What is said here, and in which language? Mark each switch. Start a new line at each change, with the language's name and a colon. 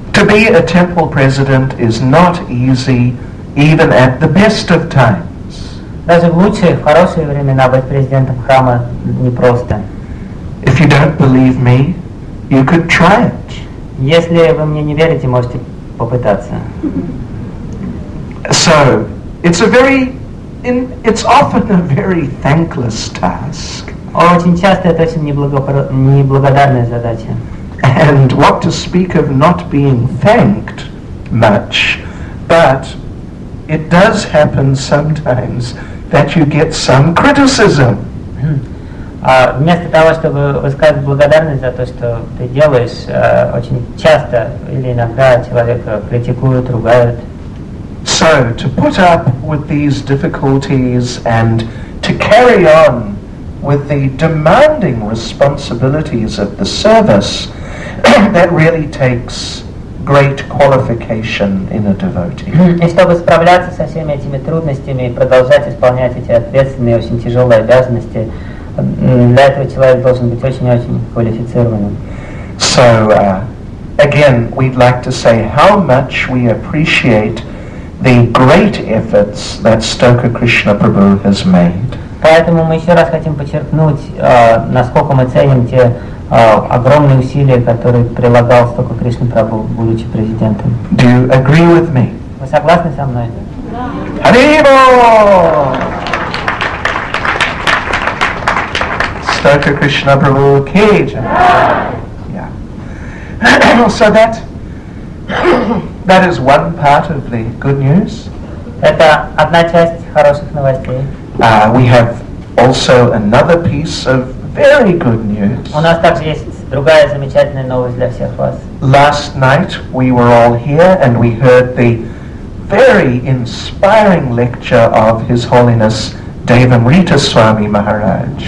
English: To be a temple president is not easy, even at the best of times.
Russian: Даже в лучшие, в хорошие времена быть президентом храма непросто.
English: If you don't believe me, you could try it.
Russian: Если вы мне не верите, можете попытаться.
English: So, it's often a very thankless task.
Russian: Очень часто это очень неблагодарная задача.
English: And what to speak of not being thanked much, but it does happen sometimes that you get some criticism.
Russian: Вместо того, чтобы высказать благодарность за то, что ты делаешь, очень часто или иногда человека критикуют, ругают.
English: So, to put up with these difficulties and to carry on with the demanding responsibilities of the service, that really takes great qualification in a devotee.
Russian: И чтобы справляться со всеми этими трудностями и продолжать исполнять эти ответственные, очень тяжелые обязанности, для этого человек должен быть очень-очень квалифицированным.
English: So, again, we'd like to say how much we appreciate the great efforts that Stoka Krishna Prabhu has made.
Russian: Поэтому мы еще раз хотим подчеркнуть, насколько мы ценим те огромные усилия, которые прилагал Стока Кришна Прабху, будучи президентом.
English: Do you agree with me?
Russian: Вы согласны со мной? Да. Arriba! Стока Кришна Прабху ки джай. Yeah.
English: So that is one part of the good news.
Russian: Это одна часть хороших новостей.
English: We have also another piece of very good news.
Russian: У нас также есть Другая замечательная новость для всех вас.
English: Last night we were all here and we heard the very inspiring lecture of His Holiness Devamrita Swami Maharaj.